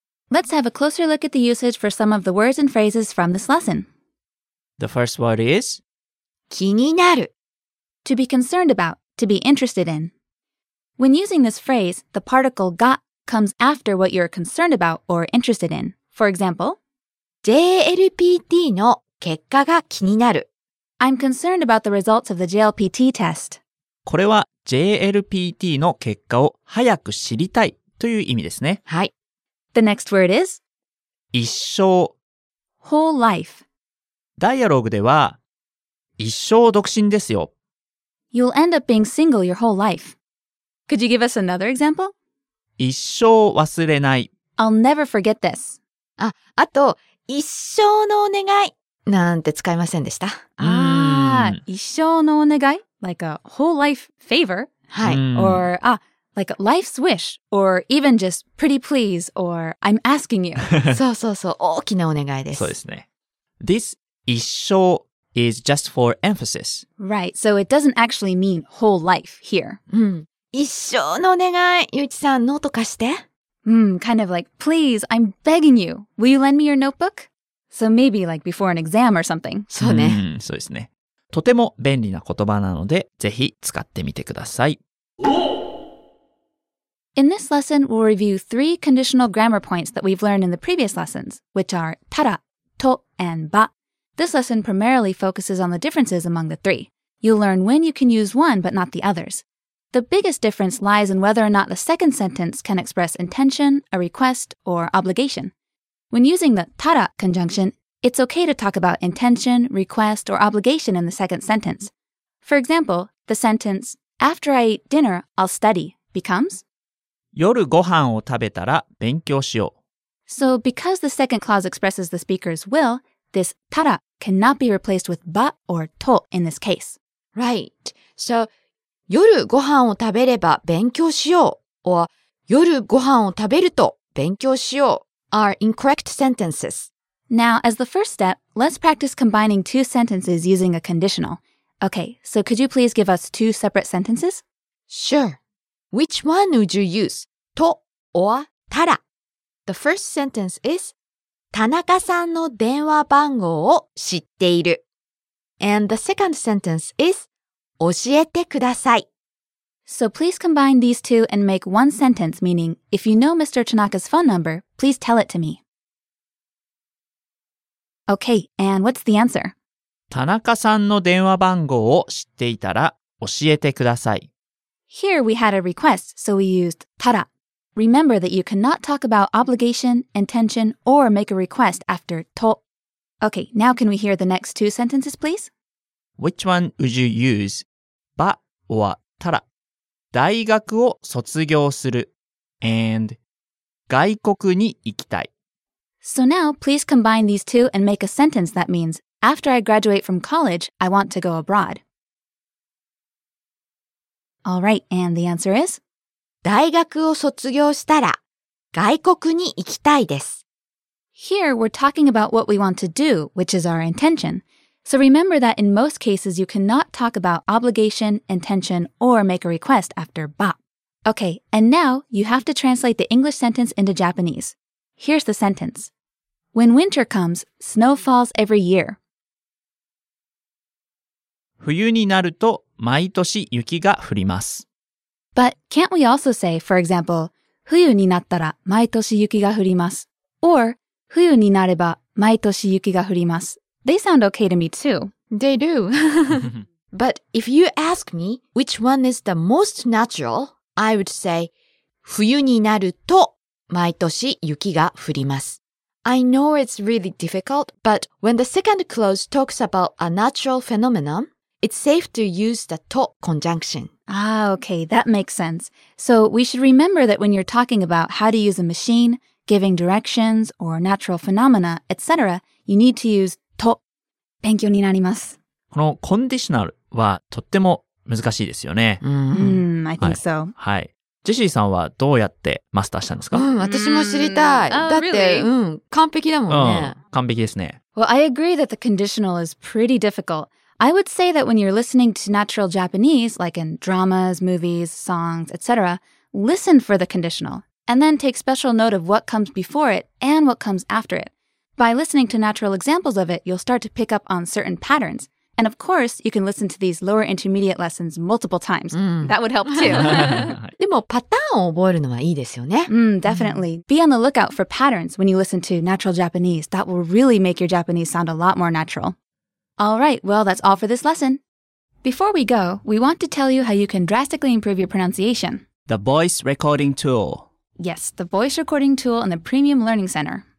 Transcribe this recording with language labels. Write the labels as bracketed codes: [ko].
[en] Let's have a closer look at the usage for some of the words and phrases from this lesson. The first word is [ja] 気になる. [en] To be concerned about, to be interested in. When using this phrase, the particle が comes after what you're concerned about or interested in. For example, [ja] JLPT の結果が気になる。 [en] I'm concerned about the results of the JLPT test. [ja] これは JLPT の結果を早く知りたいという意味ですね。はい。 [en] The next word is [ja] 一生。 [en] Whole life. [ja] ダイアログでは一生独身ですよ。 [en] You'll end up being single your whole life. Could you give us another example? [ja] 一生忘れない。 [en] I'll never forget this. [ja] あ、あと、一生のお願いなんて使いませんでした。ああ、一生のお願い [en] Like a whole life favor. [ja] はい。 [en] Or, like a life's wish. Or even just pretty please. Or I'm asking you. [ja] そうそうそう、大きなお願いです。そうですね。 [en] This 一生 is just for emphasis. Right, so it doesn't actually mean whole life here. [ja] うん。一生のお願い、ゆういちさん、ノート貸して。 [en] Kind of like, please, I'm begging you. Will you lend me your notebook? So maybe like before an exam or something. [ja] そうね。そうですね。とても便利な言葉なので、ぜひ使ってみてください。 [en] In this lesson, we'll review three conditional grammar points that we've learned in the previous lessons, which are tara, to, and ba. This lesson primarily focuses on the differences among the three. You'll learn when you can use one, but not the others. The biggest difference lies in whether or not the second sentence can express intention, a request, or obligation. When using the tara conjunction, it's okay to talk about intention, request, or obligation in the second sentence. For example, the sentence, after I eat dinner, I'll study, becomes [ja] 夜ご飯を食べたら勉強しよう。 [en] So because the second clause expresses the speaker's will, this tara cannot be replaced with ba or to in this case. Right. So... [ja] 夜ご飯を食べれば勉強しよう or 夜ご飯を食べると勉強しよう [en] are incorrect sentences. Now, as the first step, let's practice combining two sentences using a conditional. Okay, so could you please give us two separate sentences? Sure. Which one would you use? と or たら? The first sentence is [ja] 田中さんの電話番号を知っている [en] And the second sentence is [ja] 教えてください。 [en] So please combine these two and make one sentence meaning, if you know Mr. Tanaka's phone number, please tell it to me. Okay, and what's the answer? [ja] 田中さんの電話番号を知っていたら教えてください。 [en] Here we had a request, so we used tara. Remember that you cannot talk about obligation, intention, or make a request after to. Okay, now can we hear the next two sentences, please? Which one would you use? ば or たら。 [ja] 大学を卒業する and 外国に行きたい。 [en] So now, please combine these two and make a sentence that means, after I graduate from college, I want to go abroad. All right, and the answer is? [ja] 大学を卒業したら外国に行きたいです。 [en] Here, we're talking about what we want to do, which is our intention. So remember that in most cases, you cannot talk about obligation, intention, or make a request after ba. Okay, and now you have to translate the English sentence into Japanese. Here's the sentence. When winter comes, snow falls every year. [ja] 冬になると毎年雪が降ります。 [en] But can't we also say, for example, [ja] 冬になったら毎年雪が降ります。 Or 冬になれば毎年雪が降ります。 [en] They sound okay to me too. They do. But if you ask me which one is the most natural, I would say, [ja] 冬になると毎年雪が降ります。 [en] I know it's really difficult, but when the second clause talks about a natural phenomenon, it's safe to use the と conjunction. Ah, okay, that makes sense. So we should remember that when you're talking about how to use a machine, giving directions, or natural phenomena, etc., you need to use と、 [ja] 勉強になります。このコンディショナルはとっても難しいですよね。 [en] I think so. [ja] はい。ジェシーさんはどうやってマスターしたんですか? 私も知りたい。だって、完璧だもんね。完璧ですね。 [en] Well, I agree that the conditional is pretty difficult. I would say that when you're listening to natural Japanese, like in dramas, movies, songs, etc., listen for the conditional, and then take special note of what comes before it and what comes after it. By listening to natural examples of it, you'll start to pick up on certain patterns. And of course, you can listen to these lower intermediate lessons multiple times. Mm. That would help too. [ja] でもパターンを覚えるのはいいですよね。 [en] Mm, definitely. Mm. Be on the lookout for patterns when you listen to natural Japanese. That will really make your Japanese sound a lot more natural. All right, well, that's all for this lesson. Before we go, we want to tell you how you can drastically improve your pronunciation. The voice recording tool. Yes, the voice recording tool in the Premium Learning Center.